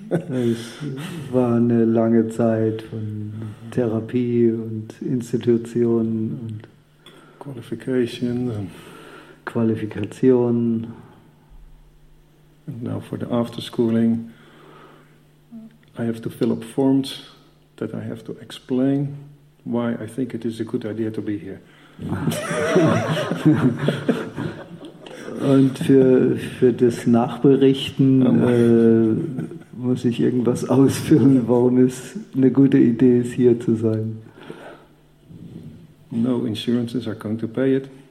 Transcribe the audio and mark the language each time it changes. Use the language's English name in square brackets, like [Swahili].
[German] Es war eine lange Zeit von Therapie und Institutionen und [English] qualification and qualification. And now for the after schooling, I have to fill up forms that I have to explain why I think it is a good idea to be here. [German] Und für das Nachberichten muss ich irgendwas ausfüllen, warum es eine gute Idee ist, hier zu sein. [English] No insurances are going to pay it.